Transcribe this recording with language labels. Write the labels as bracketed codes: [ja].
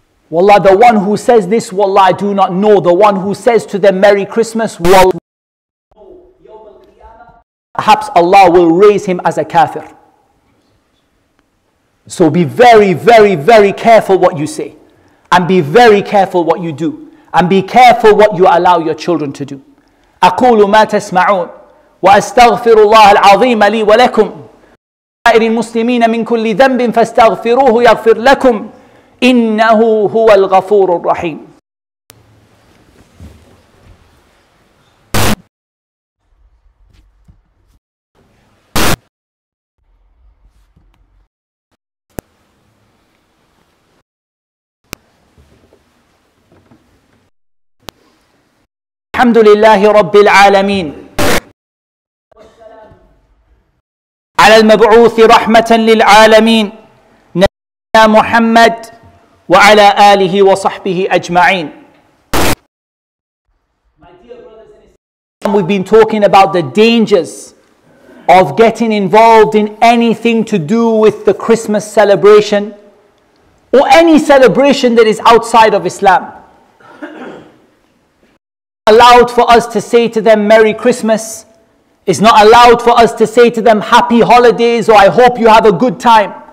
[en] Wallah, the one who says this, wallah, I do not know. The one who says to them, Merry Christmas, wallah, perhaps Allah will raise him as a kafir. So be very, very, very careful what you say. And be very careful what you do. And be careful what you allow your children to do. [ar] أقول ما تسمعون وأستغفر الله العظيم لي ولكم سائر المسلمين من كل ذنب فاستغفروه يغفر لكم إنه هو الغفور الرحيم. الحمد لله رب العالمين على المبعوث رحمة للعالمين نبينا محمد وعلى آله وصحبه أجمعين. [en] We've been talking about the dangers of getting involved in anything to do with the Christmas celebration or any celebration that is outside of Islam. Allowed for us to say to them Merry Christmas. It's not allowed for us to say to them Happy Holidays or I hope you have a good time.